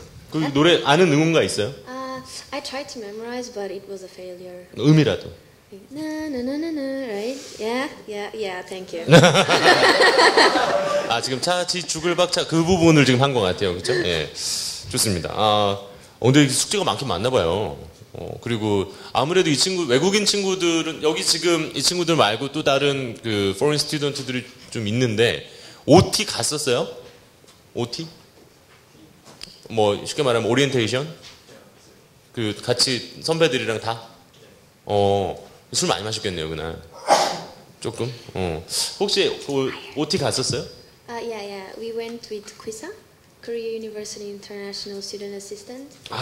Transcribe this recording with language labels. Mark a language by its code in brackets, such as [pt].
[ko] 그 노래 아는 응원가 있어요? [en] I tried to memorize, but it was a failure. [ko] 음이라도. [en] Na na na na na, right? Yeah. Thank you. [ko] 아 지금 차치 죽을 박차 그 부분을 지금 한 것 같아요, 그렇죠? 예, 좋습니다. 아 오늘 숙제가 많긴 많나 봐요. 그리고 아무래도 이 친구 외국인 친구들은 여기 지금 이 친구들 말고 또 다른 그 [en] foreign student [ko] 들이 좀 있는데 OT 갔었어요? OT? 뭐 쉽게 말하면 오리엔테이션? 그 같이 선배들이랑 다? 술 많이 마셨겠네요 그날. 조금? 혹시 OT 갔었어요? [en] Yeah. We went with KUISA, Korea University International Student Assistant.